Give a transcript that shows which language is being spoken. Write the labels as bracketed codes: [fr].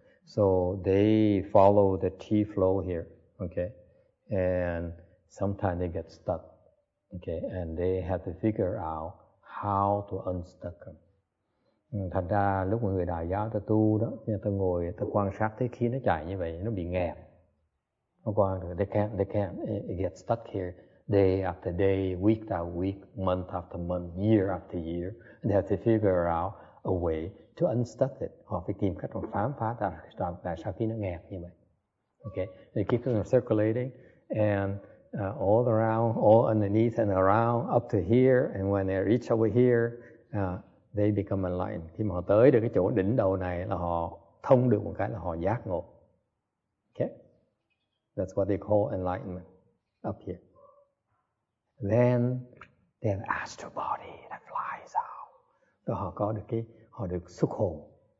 [en] So they follow the qi flow here, okay, and sometimes they get stuck, okay, and they have to figure out how to unstuck them. [vi] Thành ra lúc mọi người đại giáo ta tu đó, nên ta ngồi ta quan sát thấy khi nó chạy như vậy nó bị nghẹt, nó qua được. [en] They can't get stuck here day after day, week after week, month after month, year after year. They have to figure out a way to unstuck it. [vi] Họ phải tìm cách mà phám phá tại sao khi nó nghẹt như vậy. [en] Okay, they keep them circulating and all around, all underneath and around, up to here, and when they reach over here. They become enlightened. [vi] Khi mà họ tới được cái chỗ đỉnh đầu này là họ thông được một cái là họ giác ngộ. [en] Okay? That's what they call enlightenment up here. Then they have an astral body that flies out. [vi] Rồi họ có được cái, họ được xuất hồn.